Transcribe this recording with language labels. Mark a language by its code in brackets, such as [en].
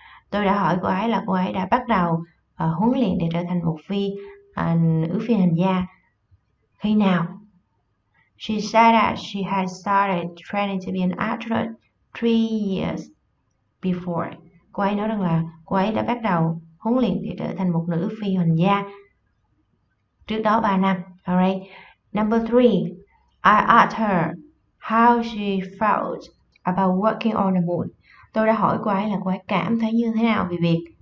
[vi] Tôi đã hỏi cô ấy là cô ấy đã bắt đầu huấn luyện để trở thành một phi nữ phi hành gia khi nào? [en] She said that she had started training to be an astronaut 3 years before. [vi] Cô ấy nói rằng là cô ấy đã bắt đầu huấn luyện để trở thành một nữ phi hành gia trước đó 3 năm. [en] Alright. Number 3. I asked her how she felt about working on the moon. [vi] Tôi đã hỏi cô ấy là cô ấy cảm thấy như thế nào về việc